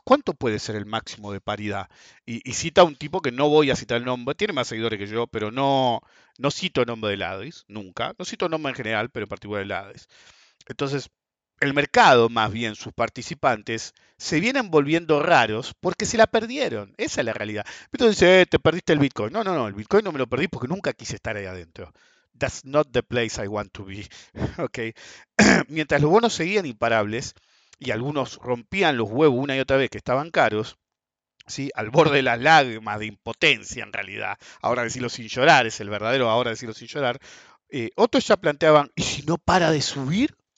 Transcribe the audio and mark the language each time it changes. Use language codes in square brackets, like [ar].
[es] ¿Cuánto puede ser el máximo de paridad? Y cita a un tipo que no voy a citar el nombre, tiene más seguidores que yo, pero no cito el nombre de Ladis, nunca. No cito el nombre en general, pero en particular de Ladis. Entonces, el mercado, más bien sus participantes, se vienen volviendo raros porque se la perdieron. Esa es la realidad. Entonces dice: te perdiste el Bitcoin. No, no, no, el Bitcoin no me lo perdí porque nunca quise estar ahí adentro. [en] That's not the place I want to be. Okay. [es] Mientras los bonos seguían imparables y algunos rompían los huevos una y otra vez que estaban caros, ¿sí? Al borde de las lágrimas de impotencia, en realidad. Ahora decirlo sin llorar es el verdadero ahora decirlo sin llorar. Otros ya planteaban: ¿y si no para de subir?